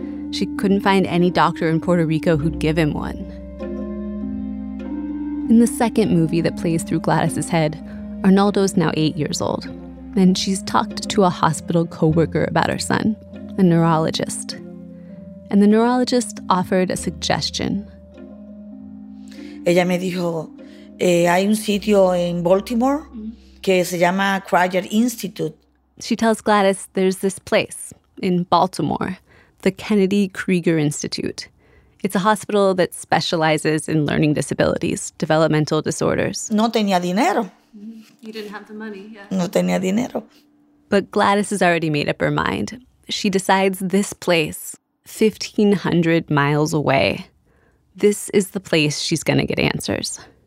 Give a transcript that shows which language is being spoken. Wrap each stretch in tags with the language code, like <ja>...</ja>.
<en>She couldn't find any doctor in Puerto Rico who'd give him one. In the second movie that plays through Gladys's head, Arnaldo's now 8 years old, and she's talked to a hospital coworker about her son, a neurologist. And the neurologist offered a suggestion.</en> <es>Ella me dijo, hay un sitio en Baltimore que se llama Cryer Institute.</es> <en>She tells Gladys there's this place in Baltimore, the Kennedy Krieger Institute. It's a hospital that specializes in learning disabilities, developmental disorders.</en> <es>No tenía dinero.</es> <en>You didn't have the money, yeah.</en> <es>No tenía dinero.</es> <en>But Gladys has already made up her mind. She decides this place, 1,500 miles away, this is the place she's going to get answers.</en>